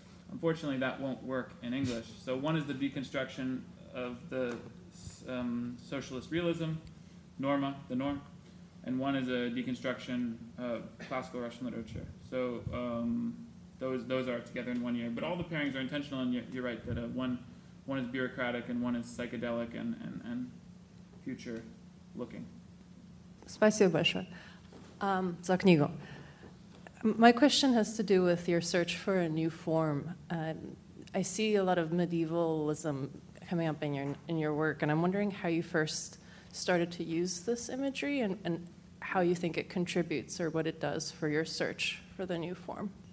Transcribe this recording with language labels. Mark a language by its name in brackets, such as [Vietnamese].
[English] Unfortunately, that won't work in English. So one is the deconstruction of the socialist realism, Norma, the norm, and one is a deconstruction of classical Russian literature. So those are together in 1 year. But all the pairings are intentional, and you're right that one is bureaucratic and one is psychedelic and future looking. [Russian] Спасибо большое за книгу. [English] My question has to do with your search for a new form. I see a lot of medievalism coming up in your work, and I'm wondering how you first started to use this imagery and how you think it contributes or what it does for your search for the new form.